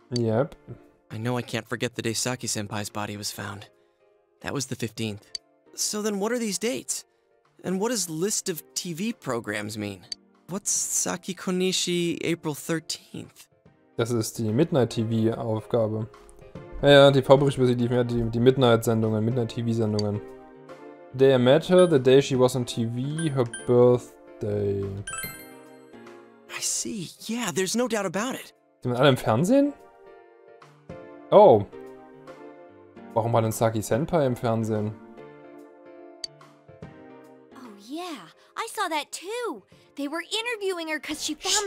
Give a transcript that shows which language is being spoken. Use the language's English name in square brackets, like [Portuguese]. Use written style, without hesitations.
[English] Yep. I know I can't forget the day Saki-senpai's body was found. That was the 15th. So then what are these dates? And what does list of TV programs mean? What's Saki Konishi April 13th? [German] Das ist die Midnight-TV-Aufgabe. Ja, ja, die Vorberichte über sie liefen ja die Midnight-Sendungen, Midnight-TV-Sendungen. [English] Day I met her, the day she was on TV, her birthday. I see, yeah, there's no doubt about it. [German] Sind wir alle im Fernsehen? Oh. Warum war denn Saki Senpai im Fernsehen? [English] Oh yeah, I saw that too. They were interviewing her because she found